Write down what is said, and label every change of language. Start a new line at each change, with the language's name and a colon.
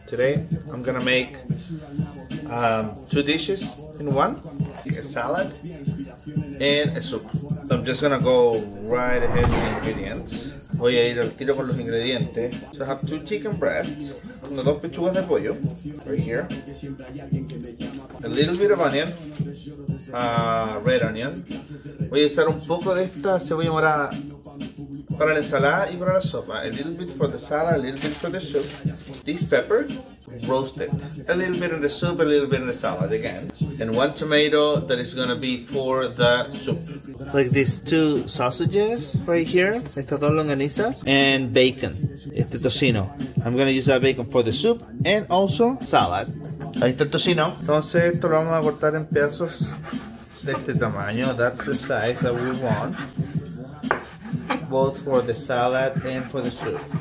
English: Today I'm gonna make two dishes in one, a salad and a soup. I'm just gonna go right ahead with the ingredients.
Spanish: Voy a ir al tiro con los ingredientes.
English: So I have two chicken breasts,
Spanish: dos pechugas de pollo,
English: right here, a little bit of onion, red onion.
Spanish: Voy a usar un poco de esta cebolla morada para la ensalada y para la sopa.
English: A little bit for the salad, a little bit for the soup. This pepper, roasted. A little bit in the soup, a little bit in the salad, again. And one tomato that is gonna be for the soup. Like these two sausages right here.
Spanish: Estas dos longanizas.
English: And bacon,
Spanish: este tocino.
English: I'm gonna use that bacon for the soup and also salad.
Spanish: Ahí está el tocino. Entonces esto lo vamos a cortar en pedazos de este tamaño.
English: That's the size that we want. Both for the salad and for the soup.